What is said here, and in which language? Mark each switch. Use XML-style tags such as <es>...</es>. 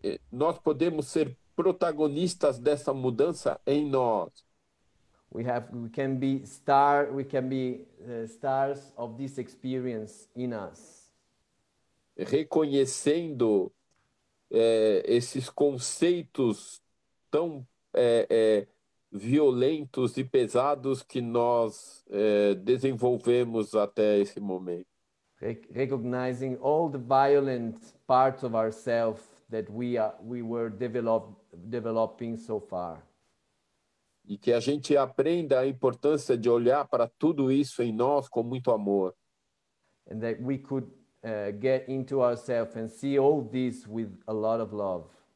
<pt>Nós podemos ser protagonistas dessa mudança em nós.</pt> <en>We can be stars of this experience in us.</en> <pt>Reconhecendo esses conceitos tão violentos e pesados que nós desenvolvemos até esse momento.</pt> <en>Recognizing all the violent parts of ourselves that we were developing so far.</en> <pt>E que a gente aprenda a importância de olhar para tudo isso em nós com muito amor.</pt> <en>And that we could get into ourselves and see all this with a lot of love.</en>